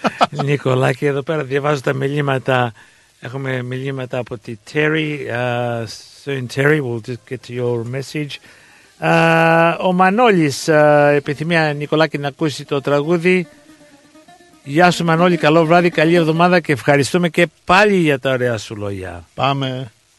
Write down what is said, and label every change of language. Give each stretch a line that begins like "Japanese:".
Greek: Νικολάκη, εδώ πέρα διαβάζω τα μηνύματα. Έχουμε μηνύματα από τη Terry.
English: Soon Terry, we'll just get to your message.
Greek: Ο Μανώλης επιθυμεί, Νικολάκη, να ακούσει το τραγούδι. Γεια σου Μανώλη, καλό βράδυ, καλή εβδομάδα και ευχαριστούμε και πάλι για τα ωραία σου λόγια. Πάμε.